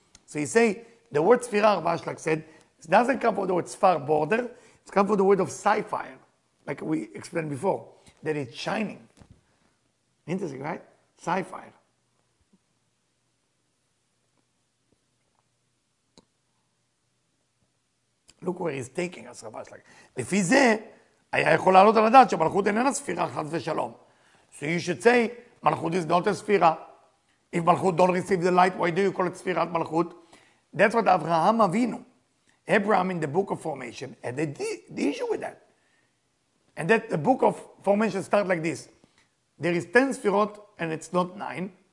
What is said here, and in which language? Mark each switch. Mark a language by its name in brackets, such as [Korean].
[English] So he say, the word Sfira, Rav Ashlag said, it doesn't come from the word Sfar, border, it comes from the word of Sapphire, like we explained before, that it's shining. Interesting, right? Sapphire. Look where he's taking us, Rav Ashlag. [Hebrew] לפי זה, היה יכול לעלות על הדעת שמלכות איננה ספירה חד ושלום. [English] So you should say, מלכות is not a ספירה. If מלכות don't receive the light, why do you call it ספירת מלכות? That's what Abraham Avinu, Abraham in the book of formation, had the issue with that. And that the book of formation starts like this. There is 10 Sfirot and it's not 9.